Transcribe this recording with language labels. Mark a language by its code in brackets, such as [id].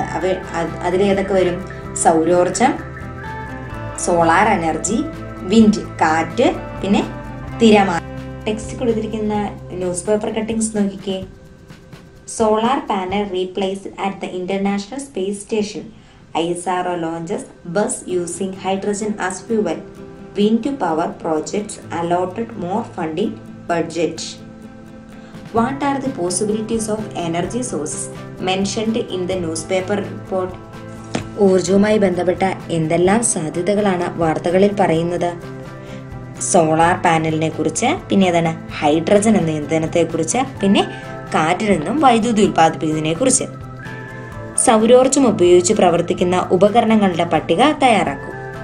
[ml] അവ അതിലേതൊക്കെ വരും? സൗരോർജം, solar energy, wind കാറ്റ്, പിന്നെ തിരമാല. ടെക്സ്റ്റ് കൊടുത്തിരിക്കുന്ന ന്യൂസ് പേപ്പർ കട്ടിങ്സ് നോക്കിക്കേ. [en] Solar panel replace at the international space station. ISRO launches bus using hydrogen as fuel. Wind power projects allotted more funding budget. What are the possibilities of energy sources mentioned in the newspaper report? [ml] ഊർജവുമായി ബന്ധപ്പെട്ട എന്തെല്ലാം സാധ്യതകളാണ് വാർത്തകളിൽ പറയുന്നത്? Solar പാനലിനെ കുറിച്ച്, പിന്നെ അതാണ് hydrogen എന്ന ഇന്ധനത്തെ കുറിച്ച്, പിന്നെ കാറ്റിൽ നിന്നും വൈദ്യുതി ഉൽപ്പാദിപ്പിക്കുന്നതിനെ കുറിച്ച്. സൗരോർജം ഉപയോഗിച്ച് പ്രവർത്തിക്കുന്ന ഉപകരണങ്ങളുടെ പട്ടിക തയ്യാറാക്കും.